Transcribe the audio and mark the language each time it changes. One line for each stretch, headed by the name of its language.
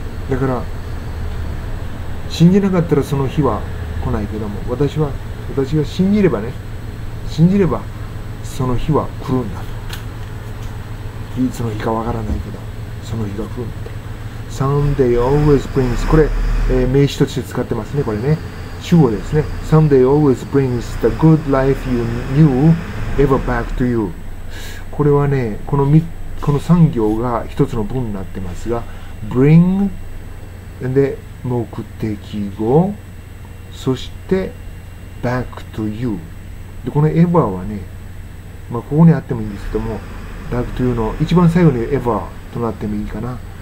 Japanese: だから信じなかったらその日は来ないけども、私は、私が信じればね、信じればその日は来るんだと。いつの日かわからないけど、その日が来るんだと。
English: Sunday always brings、
Japanese: これ、名詞として使ってますね。これね、主語ですね。
English: Sunday always brings the good life you knew ever back to you。
Japanese: これはね、この3、この3行が一つの文になってますが、 bring で目的語、そして
English: back to you
Japanese: で、この ever はね、まあ、ここにあってもいいんですけども、 back to you の一番最後に ever となってもいいかな。